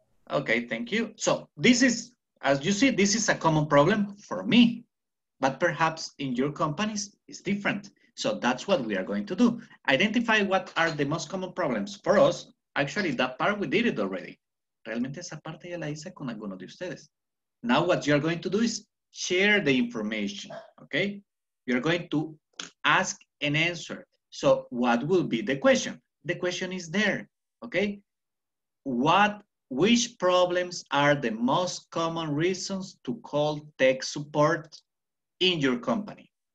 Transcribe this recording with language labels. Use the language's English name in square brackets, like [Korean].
[English] Okay, thank you. So this is, as you see, this is a common problem for me, but perhaps in your companies it's different. So that's what we are going to do. Identify what are the most common problems for us. Actually, that part we did it already. [Spanish] Realmente esa parte ya la hice con alguno de ustedes. [English] Now what you're going to do is share the information, okay? You're going to ask and answer. So what will be the question? The question is there, okay? Which problems are the most common reasons to call tech support in your company?